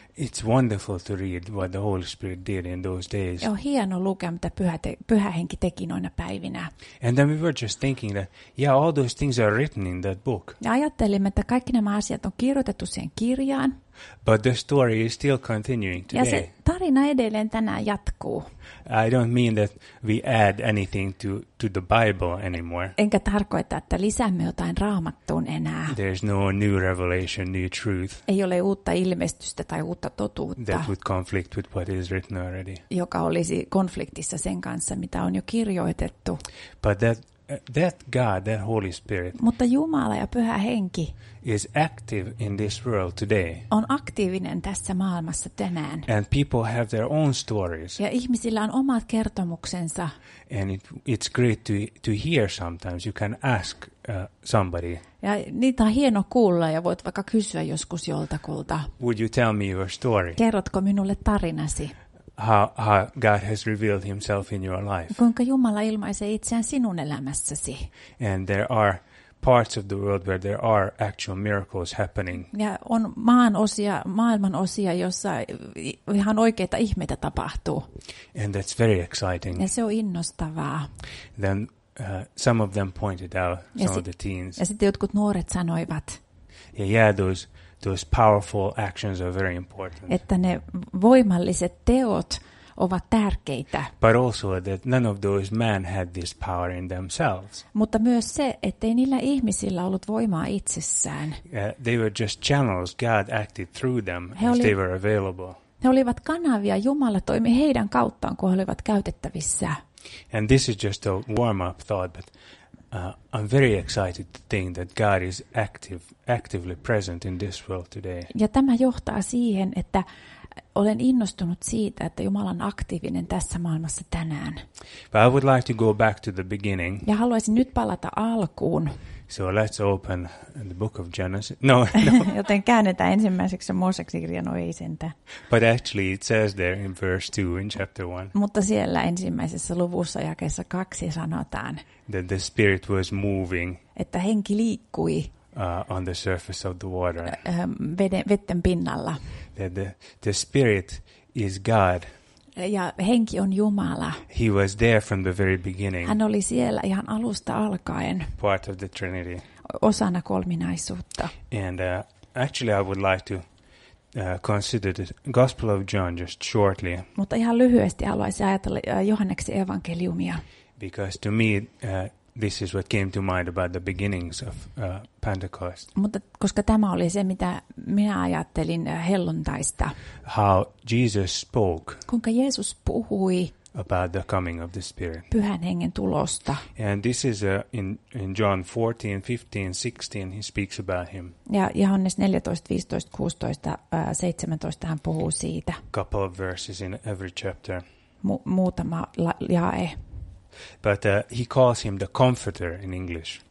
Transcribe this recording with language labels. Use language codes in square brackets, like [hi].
[en] It's wonderful to read what the Holy Spirit did in those days. [fi] Ja on hieno lukea, mitä Pyhä Henki teki noina päivinä. [en] And then we were just thinking that, yeah, all those things are written in that book. [fi] Ja ajattelimme, että kaikki nämä asiat on kirjoitettu siihen kirjaan. [en] But the story is still continuing today. [fi] Ja se tarina edelleen tänään jatkuu. [en] I don't mean that we add anything to the Bible anymore. [fi] Enkä tarkoita, että lisäämme jotain Raamattuun enää. [en] There's no new revelation, new truth. [fi] Ei ole uutta ilmestystä tai uutta totuutta. [en] That would conflict with what is written already. [fi] Joka olisi konfliktissa sen kanssa, mitä on jo kirjoitettu. [en] But that God, that Holy Spirit. [fi] Mutta Jumala ja Pyhä Henki [en] is active in this world today. [fi] On aktiivinen tässä maailmassa tänään. [en] And people have their own stories. [fi] Ja ihmisillä on omat kertomuksensa. [en] And it's great to hear sometimes. You can ask somebody. [fi] Ja niitä on hieno kuulla ja voit vaikka kysyä joskus joltakulta. [en] Would you tell me your story? [fi] Kerrotko minulle tarinasi? [en] How God has revealed himself in your life. [fi] Kuinka Jumala ilmaisee itseään sinun elämässäsi. [en] And there are parts of the world where there are actual miracles happening. [fi] Ja on maailman osia, jossa ihan oikeita ihmeitä tapahtuu. [en] And that's very exciting. [fi] Ja se on innostavaa. [en] Then some of them pointed out, some of the teens. [fi] Ja sitten jotkut nuoret sanoivat. [en] Yeah, those powerful actions are very important. [fi] Että ne voimalliset teot ovat tärkeitä. [en] But also that none of those men had this power in themselves. [fi] Mutta myös se, ettei niillä ihmisillä ollut voimaa itsessään. [en] They were just channels. God acted through them if they were available. [fi] He olivat kanavia. Jumala toimi heidän kauttaan, kun he olivat käytettävissä. [en] And this is just a warm-up thought, but I'm very excited to think that God is actively present in this world today. [fi] Ja tämä johtaa siihen, että olen innostunut siitä, että Jumala on aktiivinen tässä maailmassa tänään. [en] But I would like to go back to the beginning. [fi] Ja haluaisin nyt palata alkuun. [en] So let's open the book of Genesis. No, no. [fi] Joten käännetään ensimmäiseksi Mooseksen kirja, no ei sentään. [en] But actually it says there in verse 2 in chapter 1. [fi] Mutta siellä ensimmäisessä luvussa jakeessa 2 sanotaan. [en] That the spirit was moving. [fi] Että henki liikkui. [en] On the surface of the water. [fi] Vetten pinnalla. [en] That the spirit is God. [fi] Ja henki on Jumala. [en] He was there from the very beginning. [fi] Hän oli siellä ihan alusta alkaen. [en] Part of the Trinity. [fi] Osana kolminaisuutta. [en] And actually I would like to consider the Gospel of John just shortly. [fi] Mutta ihan lyhyesti haluaisin ajatella Johanneksen evankeliumia. [en] Because to me this is what came to mind about the beginnings of Pentecost. [fi] Mutta koska tämä oli se, mitä minä ajattelin helluntaista. [en] How Jesus spoke. [fi] Kuinka Jeesus puhui. [en] About the coming of the Spirit. [fi] Pyhän Hengen tulosta. [en] And this is in John 14, 15, 16 he speaks about him. [fi] Ja Johannes 14, 15, 16, 17 hän puhuu siitä. [en] Couple of verses in every chapter. [fi] Muutama jae. [en] But he calls him the comforter in English.